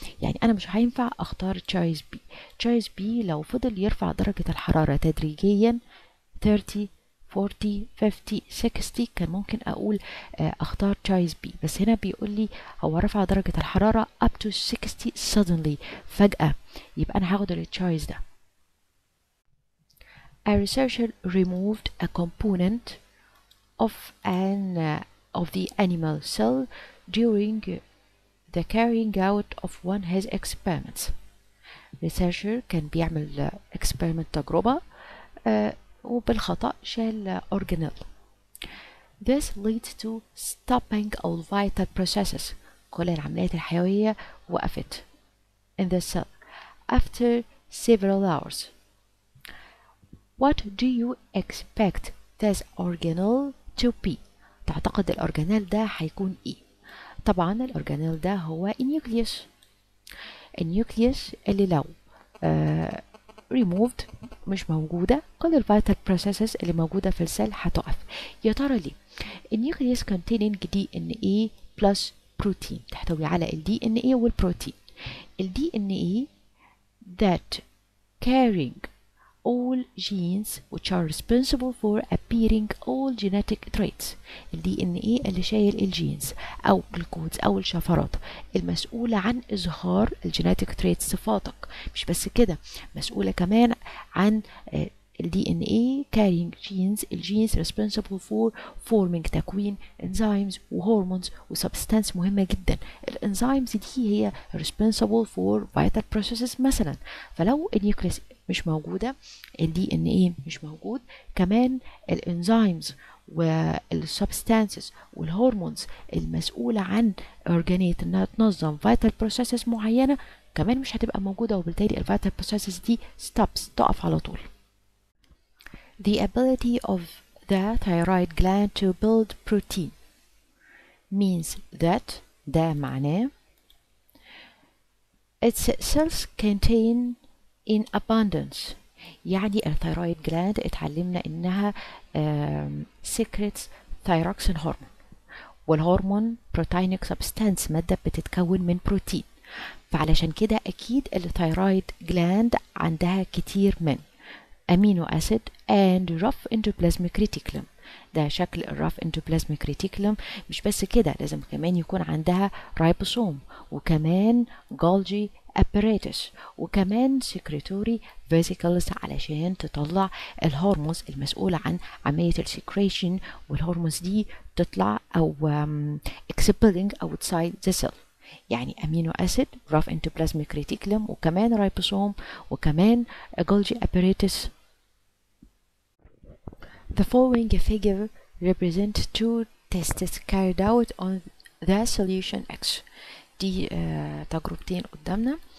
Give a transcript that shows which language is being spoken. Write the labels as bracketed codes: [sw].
[ar] يعني أنا مش هينفع أختار choice B. choice B لو فضل يرفع درجة الحرارة تدريجيا 30 40 50 60 كان ممكن أقول أختار choice B، بس هنا بيقول لي هو رفع درجة الحرارة [en] up to 60 suddenly [ar] فجأة، يبقى أنا هاخد الـ choice ده. [en] A researcher removed a component of the animal cell during the carrying out of one of his experiments. [ar] Researcher كان بيعمل experiment تجربة وبالخطأ شال organelle. [en] This leads to stopping all vital processes. [ar] كل العمليات الحيوية وقفت [en] in the cell after several hours. What do you expect this organelle to be? [ar] تعتقد الأورجانيل ده هيكون إيه؟ طبعاً الأورجانيل ده هو النيوكليوس. النيوكليوس اللي لو removed مش موجودة، كل الـ vital processes اللي موجودة في السيل هتقف. يا ترى ليه؟ النيوكليوس [en] containing DNA plus protein، [ar] تحتوي على الـ DNA والبروتين. [en] الـ DNA that carrying all genes which are responsible for appearing all genetic traits. [ar] الـ DNA اللي شايل الـ genes أو الـ codes أو الشفرات المسؤولة عن إظهار الـ genetic traits صفاتك. مش بس كده، مسؤولة كمان عن الـ DNA carrying genes، الـ genes [en] responsible for forming [ar] تكوين enzymes وhormones وsubstance مهمة جدا. [en] الـ enzymes [ar] دي هي [en] responsible for vital processes مثلا. [ar] فلو النيوكليس مش موجودة، الـ DNA مش موجود، كمان الـ enzymes والـ substances والـ hormones المسؤولة عن organate إنها تنظم vital processes معينة كمان مش هتبقى موجودة، وبالتالي الـ vital processes دي stops، تقف على طول. [en] The ability of the thyroid gland to build protein means that [ar] ده معناه [en] its cells contain in abundance. [ar] يعني الثيرويد جلاند اتعلمنا انها [en] secrets thyroxin hormone، [ar] والهرمون [en] proteinic substance، [ar] مادة بتتكون من بروتين، فعلشان كده اكيد الثيرويد جلاند عندها كتير من [en] amino acid and rough endoplasmic reticulum. [ar] ده شكل الرف endoplasmic reticulum. مش بس كده، لازم كمان يكون عندها ribosome وكمان golgi apparatus وكمان secretory vesicles علشان تطلع الهرمونز المسؤولة عن عملية secretion، والهرمونز دي تطلع أو [en] expelling outside the cell. [ar] يعني [en] amino acid, rough endoplasmic reticulum وكمان ribosome وكمان golgi apparatus. The following figure represents two tests carried out on the solution X. [ar] دي تجربتين قدامنا.